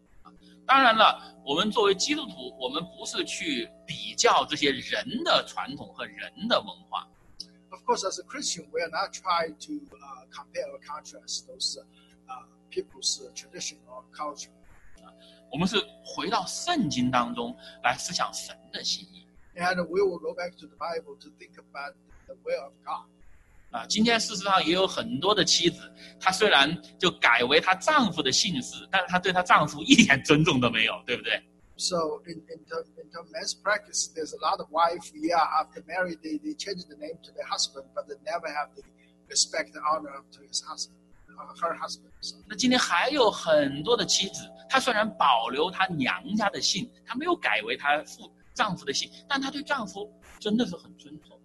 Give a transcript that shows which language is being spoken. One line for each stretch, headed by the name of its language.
Chinese: 啊，当然了，我们作为基督徒，我们不是去比较这些人的传统和人的文化。
English: Of course, as a Christian, we are not trying to compare or contrast those people's tradition or culture.
Chinese: 我们是回到圣经当中来思想神的心意。
English: And we will go back to the Bible to think about the will of God.
Chinese: 今天事实上也有很多的妻子，她虽然就改为她丈夫的姓氏，但是她对她丈夫一点尊重都没有，对不对？
English: So in men's practice, there's a lot of wife. Yeah, after marriage, they change the name to their husband, but they never have the respect and honor to his husband, her husband. So.
Chinese: 那今天还有很多的妻子，她虽然保留她娘家的姓，她没有改为她丈夫的姓，但她对丈夫真的是很尊重。